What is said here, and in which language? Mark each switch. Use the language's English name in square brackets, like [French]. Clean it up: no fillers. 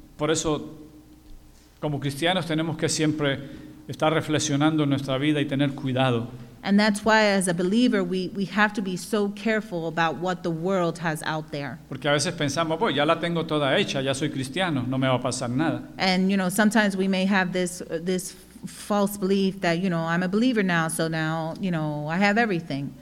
[Spanish] Por eso, como cristianos, tenemos que siempre estar reflexionando en nuestra vida y tener cuidado. [English] And that's why, as a believer, we have to be so careful about what the world has out there. [Spanish] Porque a veces pensamos, pues ya la tengo toda hecha, ya soy cristiano, no me va a pasar nada. [English] And you know, sometimes we may have this false belief that, you know, I'm a believer now, so now, you know, I have everything.